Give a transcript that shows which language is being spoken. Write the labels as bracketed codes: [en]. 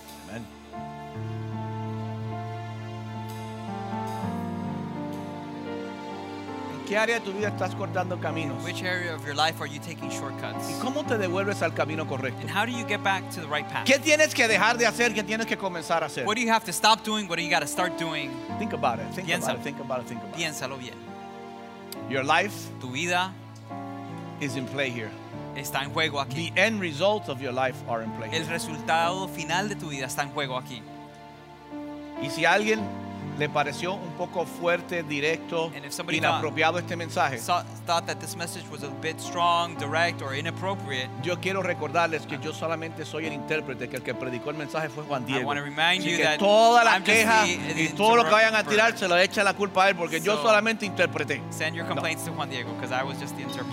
[es] Amen. ¿Qué área de tu vida estás cortando caminos? [en] Which area of your life are you taking shortcuts? [es] ¿Y cómo te devuelves al camino correcto? [en] And how do you get back to the right path? [es] ¿Qué tienes que dejar de hacer? ¿Qué tienes que comenzar a hacer? [en] What do you have to stop doing? What do you got to start doing? Think about it. Think [es] Piénsalo. [en] About it. Think about it. Think about it. [es] Piénsalo bien. [en] Your life, [es] tu vida, [en] is in play here. [es] Está en juego aquí. [en] The end results of your life are in play. [es] El resultado final de tu vida está en juego aquí. Y si alguien le pareció un poco fuerte, directo, inapropiado este mensaje, [en] thought that this message was a bit strong, direct, or inappropriate, [es] yo quiero recordarles que yo solamente soy el intérprete, que el que predicó el mensaje fue Juan Diego. [en] I want to remind you [es] que [en] that [es] toda la [en] I'm [es] queja [en] the, [es] y todo lo que vayan a tirar se lo echa la culpa a él, porque yo solamente interpreté. [en] Send your complaints to Juan Diego, because I was just the interpreter.